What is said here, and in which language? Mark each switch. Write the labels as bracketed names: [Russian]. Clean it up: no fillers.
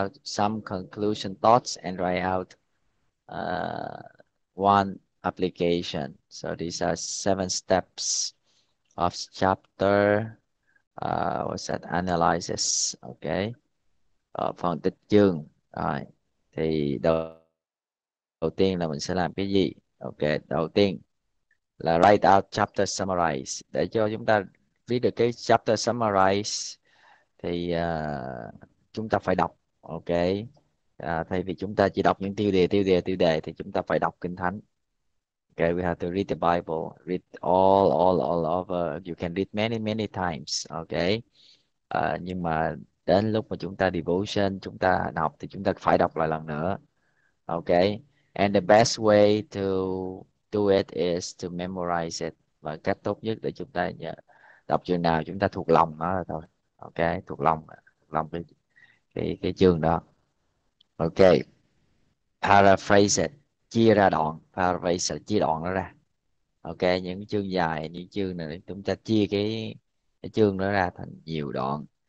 [English] Write out some conclusion thoughts and write out one application. So these are seven steps of chapter what's that analysis. [Vietnamese] Okay. Phân tích chương. Rồi. Thì đầu tiên là mình sẽ làm cái gì? Ok, đầu tiên là [English] write out chapter summarize. [Vietnamese] Để cho chúng ta viết được cái [English] chapter summarize [Vietnamese] thì chúng ta phải đọc, ok. Thay vì chúng ta chỉ đọc những tiêu đề thì chúng ta phải đọc kinh thánh. [English] Ok, we have to read the Bible, read all over. You can read many many times, ok. [Vietnamese] Nhưng mà đến lúc mà chúng ta devotion, chúng ta đọc thì chúng ta phải đọc lại lần nữa. [English] Ok. And the best way to do it is to memorize it. [Vietnamese] Và cách tốt nhất để chúng ta đọc chương nào chúng ta thuộc lòng nó là thôi. Ok, thuộc lòng cái chương đó. Ok. [English] Paraphrase it, [Vietnamese] chia ra đoạn. Paraphrase là chia đoạn nó ra. Ok, những chương dài, những chương này chúng ta chia cái chương nó ra thành nhiều đoạn.